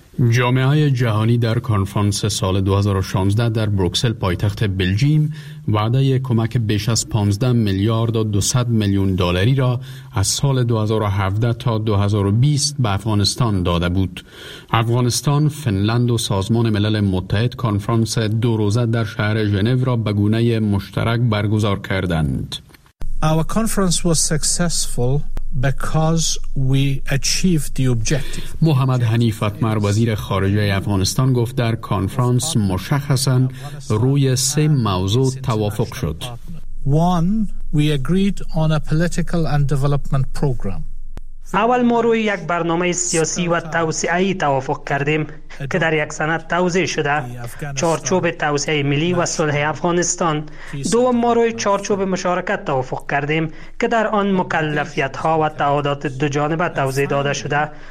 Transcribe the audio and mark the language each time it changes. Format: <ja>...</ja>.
<fa>جامعه جهانی در کنفرانس سال 2016 در بروکسل پایتخت بلژیم وعده کمک بیش از 15 میلیارد و 200 میلیون دلاری را از سال 2017 تا 2020 به افغانستان داده بود. افغانستان، فنلند و سازمان ملل متحد کنفرانس 2 روزه در شهر ژنو را به گونه مشترک برگزار کردند.</fa> <en>Our conference was successful because we achieved the objective.</en> <fa>محمد حنیف اطمر، وزیر خارجه افغانستان، گفت در کنفرانس مشخصاً روی 3 موضوع توافق شد. 1.</fa> <en>We agreed on a political and development program.</en> <fa>اول، ما روی یک برنامه سیاسی و توسعه‌ای توافق کردیم که در یک سند توضیح شده، چارچوب توسعه ملی و صلح افغانستان. دوم، ما روی چارچوب مشارکت توافق کردیم که در آن مکلفیت‌ها و تعهدات دو جانبه توضیح داده شده.</fa>